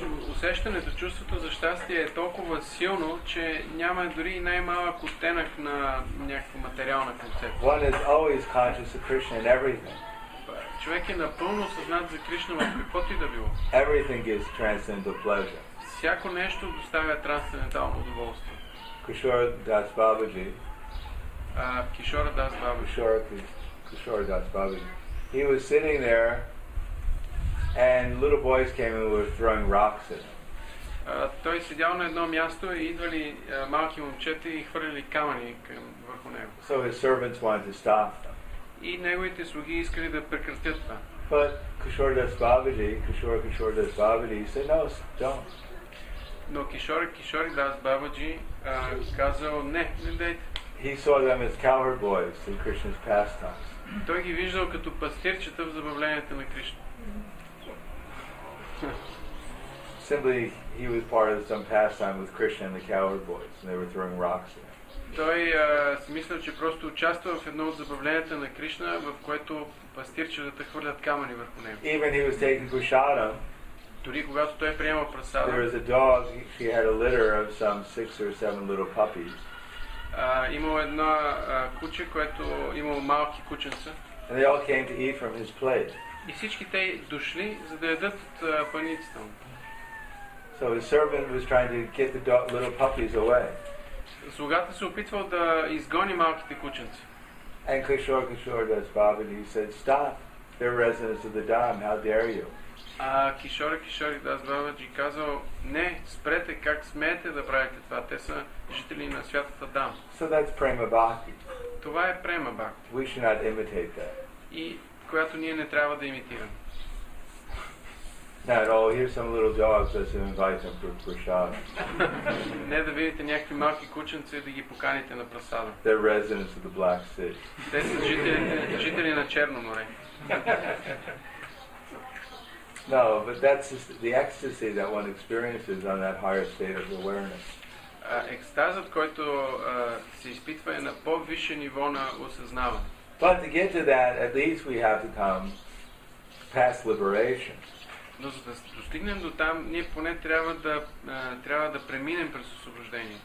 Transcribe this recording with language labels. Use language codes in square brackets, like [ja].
[bg] Усещането, чувството за щастие е толкова силно, че няма дори най-малък оттенък на някаква материална концепция. [en] One is always conscious of Krishna in everything. [bg] Човек е напълно съзнат за Кришна в каквото и да било. [en] Everything gives transcendental pleasure. [bg] Всяко нещо доставя трансцендентално удоволствие. [en] Kishore Das Babaji. Kishore Das Babaji. Kishore Das Babaji. He was sitting there and little boys came and were throwing rocks at him. [bg] Той седял на едно място и идвали малки момчета и хвърляли камъни към върху него. [en] So his servants wanted to stop them. [bg] И неговите слуги искали да прекратят това. [en] But Kishore Das Babaji, Kishore Das Babaji, he said, no, don't. [bg] Но Kishore Das Babaji казал, не, не дейте. [en] He saw them as cowherd boys in Krishna's pastimes. [bg] Той ги виждал като пастирчета в забавленията на Кришна. [en] Simply, he was part of some pastime with Krishna and the cowherd boys, and they were throwing rocks at him. [bg] Той си мислил, че просто участва в едно от забавленията на Кришна, в което пастирчетата хвърлят камъни върху него. [en] Even he was taking prasada. [bg] Дори когато той приема прасада. [en] There was a dog. She had a litter of some 6 or 7 little puppies. [bg] Имало едно куче, което имало малки кученца. [en] And they all came to eat from his plate. [bg] И всички те дошли, за да ядат от паницата му. [en] So his servant was trying to get the little puppies away. [bg] Слугата се опитвал да изгони малките кученца. [en] And Kishore Das Babaji said, stop, they're residents of the dam, how dare you? [bg] Kishore Das Babaji казал, не, спрете, как смеете да правите това, те са жители на святата дам. [en] So that's prema bhakti. [bg] Това е prema bhakti. [en] We should not imitate that. [bg] И която ние не трябва да имитираме. [en] Not all. Here's some little dogs that should invite them for prasada. [bg] Не да видите някакви малки кученца да ги поканите на прасада. [en] They're residents of the Black Sea. [bg] Те са жители на Черно море. [en] No, but that's just the ecstasy that one experiences on that higher state of awareness. [bg] Екстазът, който се изпитва, е на по-висше ниво на осъзнаване. [en] But to get to that, at least we have to come past liberation. [bg] Но за да достигнем до там, ние поне трябва да преминем през освобождение.